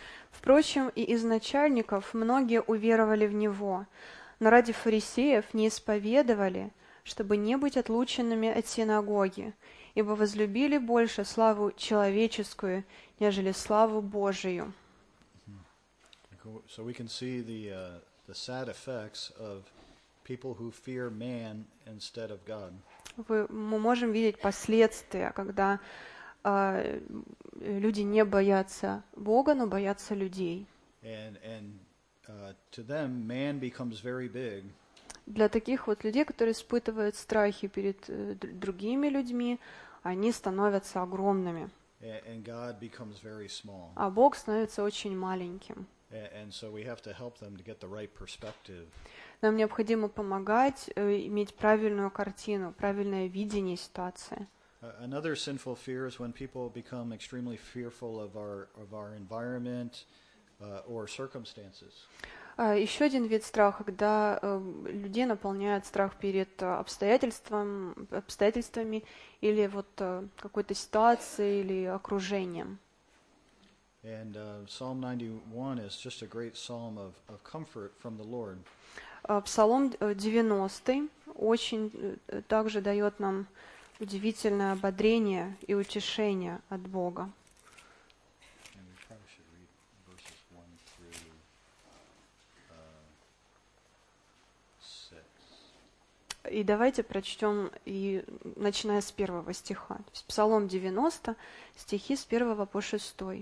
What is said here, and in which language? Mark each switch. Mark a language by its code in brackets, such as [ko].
[ru] Впрочем, и из начальников многие уверовали в Него, но ради фарисеев не исповедовали, чтобы не быть отлученными от синагоги, ибо возлюбили больше славу человеческую, нежели славу Божию. [en] So we can see the sad effects of people who fear man instead of God. [ru] Мы можем видеть последствия, когда люди не боятся Бога, но боятся людей. [en] And to them man becomes very big. [ru] Для таких вот людей, которые испытывают страхи перед другими людьми, они становятся огромными. [en] And God becomes very small. [ru] А Бог становится очень маленьким. [en] And so we have to help them to get the right perspective. [ru] Нам необходимо помогать иметь правильную картину, правильное видение ситуации. [en] Another sinful fear is when people become extremely fearful of our environment or circumstances. [ru] Еще один вид страха, когда людей наполняет страх перед обстоятельствами или вот какой-то ситуацией или окружением. [en] And Psalm 91 is just a great psalm of comfort from the Lord. [ru] Псалом 90 очень также дает нам удивительное ободрение и утешение от Бога. [en] And we probably should read verses 1 through 6. [ru] И давайте прочтем, и начиная с первого стиха. Псалом 90, стихи с 1 по 6.